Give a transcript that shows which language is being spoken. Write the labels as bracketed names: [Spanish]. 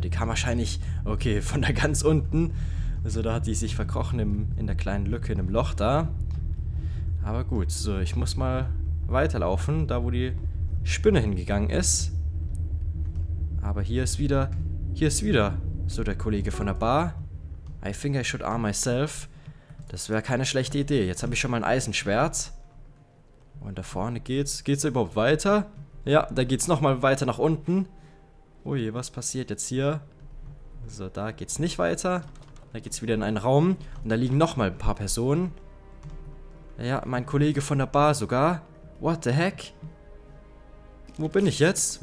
[German] Die kam wahrscheinlich, okay, von da ganz unten. Also da hat die sich verkrochen in der kleinen Lücke, in dem Loch da. Aber gut, so, ich muss mal weiterlaufen, da wo die Spinne hingegangen ist. Aber hier ist wieder, so der Kollege von der Bar. [English] I think I should arm myself. [German] Das wäre keine schlechte Idee. Jetzt habe ich schon mal ein Eisenschwert. Und da vorne geht's. Geht's da überhaupt weiter? Ja, da geht's nochmal weiter nach unten. Ui, was passiert jetzt hier? So, da geht's nicht weiter. Da geht's wieder in einen Raum. Und da liegen nochmal ein paar Personen. Ja, mein Kollege von der Bar sogar. [English] What the heck? [German] Wo bin ich jetzt?